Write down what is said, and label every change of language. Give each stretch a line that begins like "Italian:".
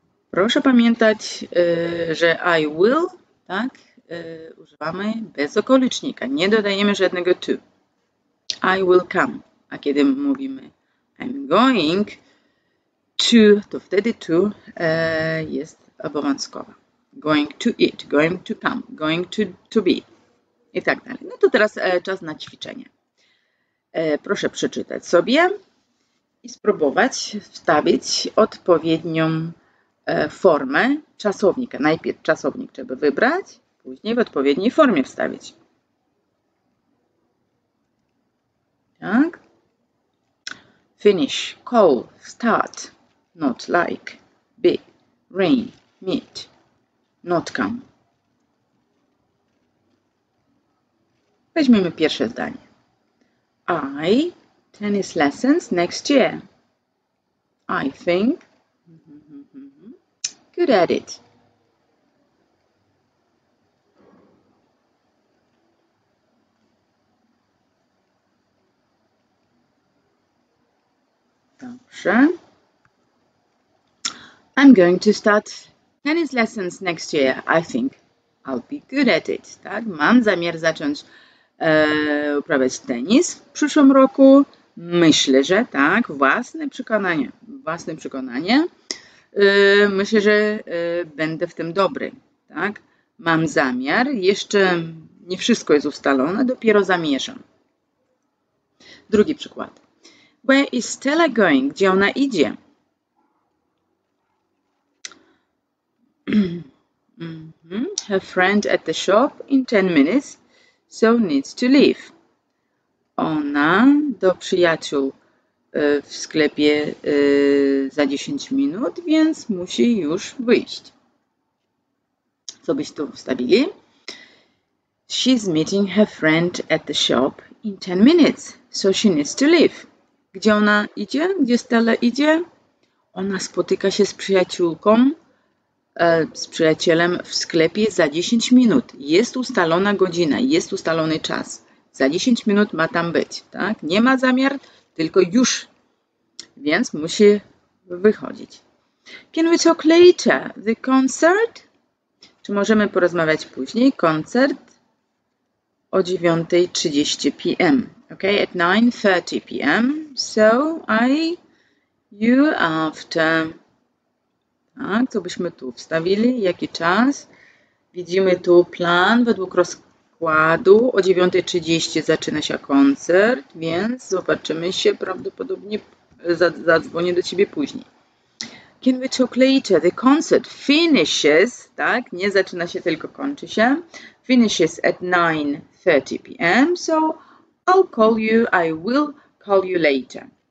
Polish: Proszę pamiętać, że
English: I will,
Polish: tak, używamy bez okolicznika. Nie dodajemy żadnego to.
English: I will come.
Polish: A kiedy mówimy
English: I'm going,
Polish: To, to wtedy to jest obowiązkowa.
English: Going to eat, going to come, going to be
Polish: i tak dalej. No to teraz czas na ćwiczenie. Proszę przeczytać sobie i spróbować wstawić odpowiednią formę czasownika. Najpierw czasownik trzeba wybrać, później w odpowiedniej formie wstawić. Tak?
English: Finish, call, start, not like, be, rain, meet, not come.
Polish: Weźmiemy pierwsze zdanie.
English: I tennis lessons next year. I think. Good at it.
Polish: Dobrze.
English: I'm going to start tennis lessons next year. I think I'll be good at it. Tak?
Polish: Mam zamiar zacząć uprawiać tenis w przyszłym roku. Myślę, że tak. Własne przekonanie. Własne przekonanie. Myślę, że będę w tym dobry. Tak? Mam zamiar. Jeszcze nie wszystko jest ustalone. Dopiero zamierzam. Drugi przykład.
English: Where is Stella going?
Polish: Gdzie ona idzie?
English: Her friend at the shop in 10 minutes, so needs to leave.
Polish: Ona do przyjaciół w sklepie za 10 minut, więc musi już wyjść. Co byś tu wstawili?
English: She's meeting her friend at the shop in 10 minutes, so she needs to leave.
Polish: Gdzie ona idzie? Gdzie Stella idzie? Ona spotyka się z przyjaciółką, z przyjacielem w sklepie za 10 minut. Jest ustalona godzina, jest ustalony czas. Za 10 minut ma tam być, tak? Nie ma zamiar, tylko już. Więc musi wychodzić.
English: Can we talk later? The concert?
Polish: Czy możemy porozmawiać później? Koncert o 9:30 p.m.
English: Ok, at 9:30 p.m. So, you after.
Polish: Tak, co byśmy tu wstawili? Jaki czas? Widzimy tu plan według rozkładu. O 9:30 zaczyna się koncert, więc zobaczymy się prawdopodobnie. Zadzwonię do ciebie później.
English: Can we talk later? The concert finishes,
Polish: tak? Nie zaczyna się, tylko kończy się.
English: Finishes at 9:30 p.m. So, I'll call you, I will call you later.